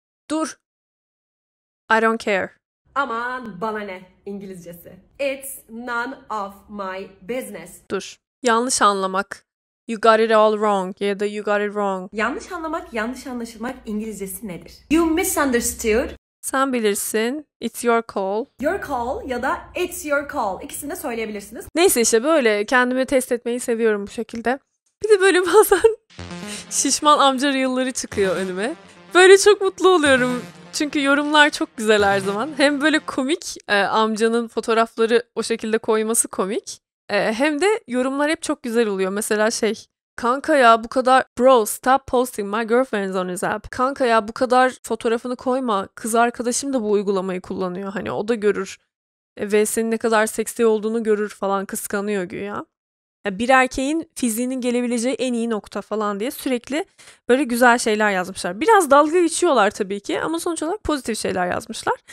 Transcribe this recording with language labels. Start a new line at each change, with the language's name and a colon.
Turkish: Dur.
English: I don't care.
Turkish: Aman bana ne İngilizcesi.
English: It's none of my business.
Turkish: Dur. Yanlış anlamak.
English: You got it all wrong.
Turkish: Ya da
English: you got it wrong.
Turkish: Yanlış anlamak, yanlış anlaşılmak İngilizcesi nedir?
English: You misunderstood.
Turkish: Sen bilirsin.
English: It's your call. Your call
Turkish: ya da
English: it's your call.
Turkish: İkisini de söyleyebilirsiniz. Neyse işte böyle kendimi test etmeyi seviyorum bu şekilde. Bir de böyle bazen şişman amca reel'ları çıkıyor önüme. Böyle çok mutlu oluyorum. Çünkü yorumlar çok güzel her zaman. Hem böyle komik, amcanın fotoğrafları o şekilde koyması komik. Hem de yorumlar hep çok güzel oluyor. Mesela şey, kanka ya bu kadar,
English: bro stop posting my girlfriend's on his app.
Turkish: Kanka ya bu kadar fotoğrafını koyma, kız arkadaşım da bu uygulamayı kullanıyor. Hani o da görür ve senin ne kadar seksi olduğunu görür falan, kıskanıyor güya. Bir erkeğin fiziğinin gelebileceği en iyi nokta falan diye sürekli böyle güzel şeyler yazmışlar. Biraz dalga geçiyorlar tabii ki ama sonuç olarak pozitif şeyler yazmışlar.